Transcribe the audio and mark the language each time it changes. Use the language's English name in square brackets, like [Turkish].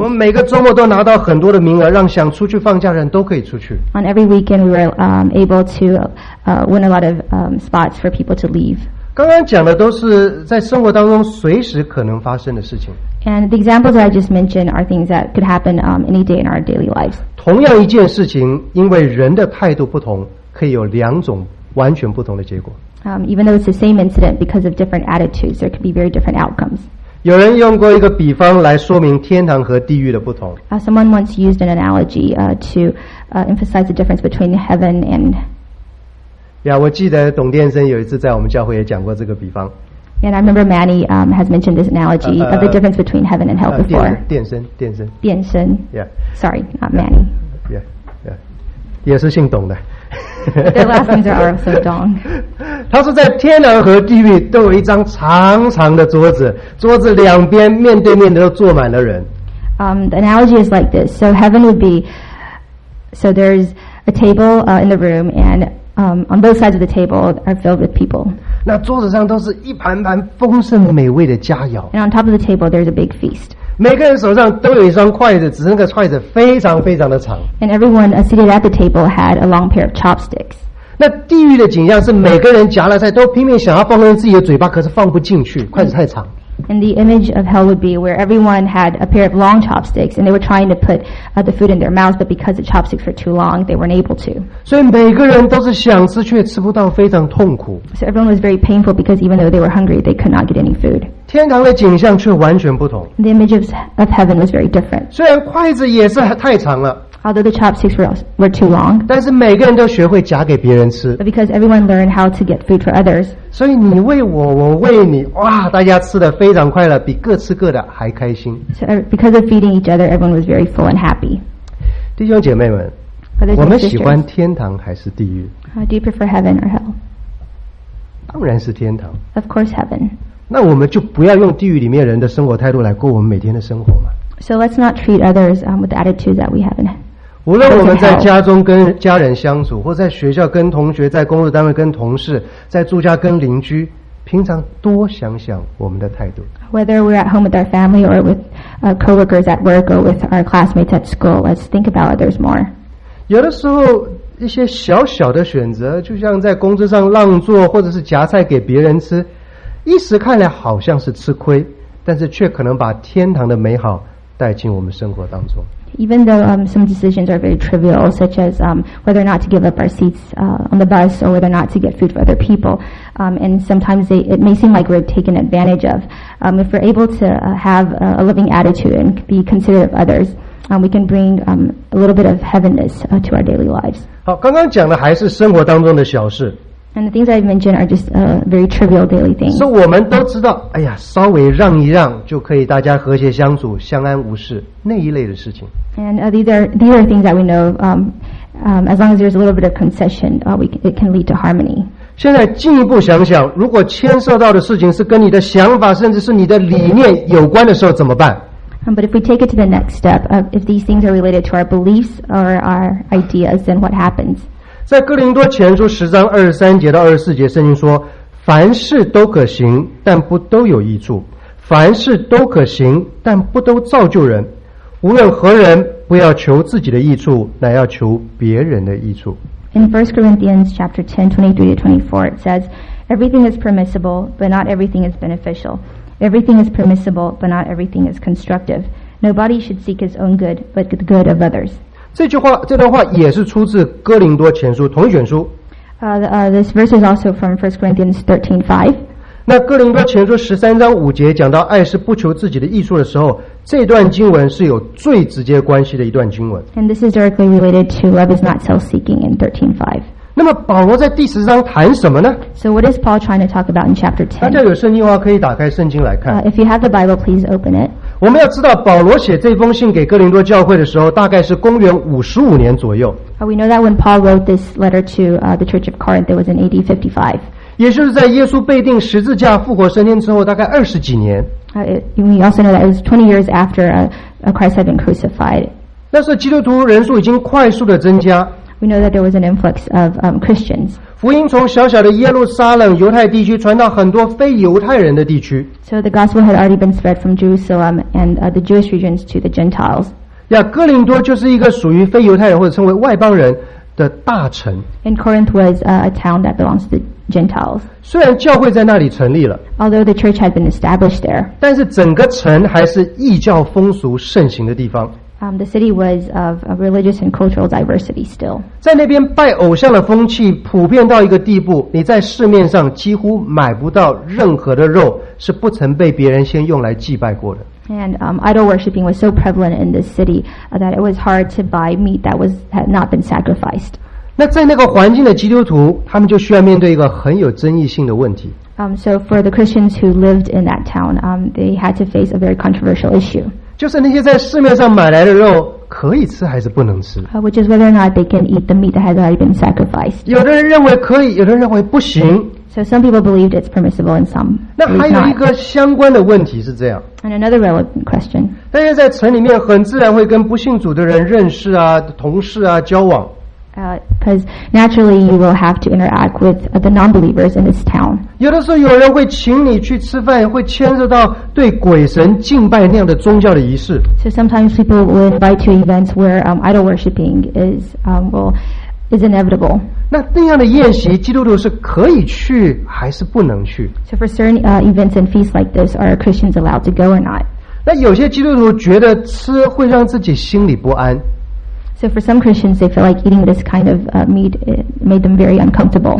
[Chinese] 我们每个周末都拿到很多的名额，让想出去放假的人都可以出去。 [English] On every weekend, we were able to win a lot of spots for people to leave. [Chinese] 刚刚讲的都是在生活当中随时可能发生的事情。 [English] And the examples that I just mentioned are things that could happen any day in our daily lives. [Chinese] 同样一件事情，因为人的态度不同，可以有两种完全不同的结果。 [English] Even though it's the same incident, because of different attitudes, there could be very different outcomes. [Chinese] 有人用过一个比方来说明天堂和地狱的不同。 [English] Someone once used an analogy to emphasize the difference between heaven and [Chinese] 呀、yeah, 我记得董殿生有一次在我们教会也讲过这个比方。 [English] And I remember Manny has mentioned this analogy of the difference between heaven and hell before. [Chinese] 变身。Yeah. [English] Sorry, not Manny. [Chinese] Yeah. 也是姓董的。 [English] Their last names are also Dong. [Chinese] 他说在天堂和地狱都有一张长长的桌子，桌子两边面对面的都坐满了人。 [English] The analogy is like this. So heaven would be, so there's a table in the room and on both sides of the table are filled with people. [Chinese] 那桌子上都是一盘盘丰盛美味的佳肴。 [English] And on top of the table there's a big feast. [Chinese] 每个人手上都有一双筷子，只是那个筷子非常非常的长。 [English] And everyone seated at the table had a long pair of chopsticks. [Chinese] 那地狱的景象是每个人夹了菜都拼命想要放进自己的嘴巴，可是放不进去，筷子太长。 [English] And the image of hell would be where everyone had a pair of long chopsticks and they were trying to put the food in their mouths, but because the chopsticks were too long, they weren't able to. [Chinese] 所以每个人都是想吃却吃不到，非常痛苦。 [English] So everyone was very painful because even though they were hungry, they could not get any food. [Chinese] 天堂的景象却完全不同。 [English] The image of heaven was very different. [Chinese] 虽然筷子也是太长了。 [English] Although the chopsticks were too long, [Chinese] 但是每个人都学会夹给别人吃。 [English] But because everyone learned how to get food for others, [Chinese] 所以你喂我，我喂你，哇，大家吃得非常快乐，比各吃各的还开心。 [English] So because of feeding each other, everyone was very full and happy. [Chinese] 弟兄姐妹们， [English] sisters, [Chinese] 我们喜欢天堂还是地狱？ [English] Do you prefer heaven or hell? [Chinese] 当然是天堂。 [English] Of course, heaven. [Chinese] 那我们就不要用地狱里面人的生活态度来过我们每天的生活嘛。 [English] So let's not treat others with the attitude that we have in heaven. [Chinese] 无论我们在家中跟家人相处，或在学校跟同学，在工作单位跟同事，在住家跟邻居，平常多想想我们的态度。 [English] Whether we're at home with our family or with coworkers at work or with our classmates at school, let's think about others more. [Chinese] 有的时候一些小小的选择，就像在工作上让座或者是夹菜给别人吃，一时看来好像是吃亏，但是却可能把天堂的美好带进我们生活当中。 [English] Even though some decisions are very trivial, such as whether or not to give up our seats on the bus or whether or not to get food for other people, and sometimes it may seem like we're taken advantage of. If we're able to have a loving attitude and be considerate of others, we can bring a little bit of heavenness to our daily lives. [Chinese] 好，刚刚讲的还是生活当中的小事。 [English] And the things I've mentioned are just very trivial daily things. [Chinese] 是我们都知道，哎呀，稍微让一让就可以大家和谐相处，相安无事那一类的事情。 [English] And these are things that we know. As long as there's a little bit of concession, it can lead to harmony. [Chinese] 现在进一步想想，如果牵涉到的事情是跟你的想法，甚至是你的理念有关的时候，怎么办？ [English] But if we take it to the next step, if these things are related to our beliefs or our ideas, then what happens? [Chinese] 在哥林多前书十章二十三节到二十四节，圣经说：“凡事都可行，但不都有益处；凡事都可行，但不都造就人。无论何人，不要求自己的益处，乃要求别人的益处。” [English] In 1 Corinthians chapter 10:23-24, it says, "Everything is permissible, but not everything is beneficial. Everything is permissible, but not everything is constructive. Nobody should seek his own good, but the good of others." [Chinese] 这段话也是出自《哥林多前书》同一卷书。 [English] This verse is also from 1 Corinthians 13:5. [Chinese] 那《哥林多前书》十三章五节讲到爱是不求自己的益处的时候，这段经文是有最直接关系的一段经文。 [English] And this is directly related to love is not self-seeking in 13:5. [Chinese] 那么保罗在第十章谈什么呢 [English] ？So what is Paul trying to talk about in chapter 10? [Chinese] 大家有圣经的话可以打开圣经来看。 [English] If you have the Bible, please open it. [Chinese] 我们要知道保罗写这封信给哥林多教会的时候大概是公元55年左右。 [English] We know that when Paul wrote this letter to the church of Corinth, it was in AD 55. [Chinese] 也就是在耶稣被钉十字架复活升天之后大概二十几年。 [English] We also know that it was 20 years after Christ had been crucified. [Chinese] 那时候基督徒人数已经快速的增加。 [English] We know that there was an influx of Christians. [Chinese] 福音从小小的耶路撒冷犹太地区传到很多非犹太人的地区。 [English] So the gospel had already been spread from Jerusalem and the Jewish regions to the Gentiles. [Chinese] 呀，哥林多就是一个属于非犹太人或者称为外邦人的大城。 [English] And Corinth was a town that belongs to the Gentiles. [Chinese] 虽然教会在那里成立了。 [English] Although the church had been established there. [Chinese] 但是整个城还是异教风俗盛行的地方。 [English] The city was of religious and cultural diversity still. [Chinese] 在那边拜偶像的风气普遍到一个地步，你在市面上几乎买不到任何的肉是不曾被别人先用来祭拜过的。 [English] And idol worshiping was so prevalent in this city that it was hard to buy meat that had not been sacrificed. [Chinese] 那在那个环境的基督徒，他们就需要面对一个很有争议性的问题。 [English] So for the Christians who lived in that town, they had to face a very controversial issue. [Chinese] 就是那些在市面上买来的肉可以吃还是不能吃 [English] which is whether or not they can eat the meat that has already been sacrificed. [Chinese] 有的人认为可以，有的人认为不行。 [English] So some people believed it's permissible and some not. [Chinese] 那还有一个相关的问题是这样。 [English] And another relevant question. [Chinese] 大家在城里面很自然会跟不信主的人认识啊，同事啊，交往。 [English] Because naturally you will have to interact with the non-believers in this town. [Chinese] 有的时候有人会请你去吃饭，会牵涉到对鬼神敬拜那样的宗教的仪式。 [English] So sometimes people will invite to events where idol worshiping is inevitable. [Chinese] 那样的宴席，基督徒是可以去还是不能去 [English] ？So for certain events and feasts like this, are Christians allowed to go or not? [Chinese] 那有些基督徒觉得吃会让自己心里不安。 [English] So for some Christians, they feel like eating this kind of meat made them very uncomfortable.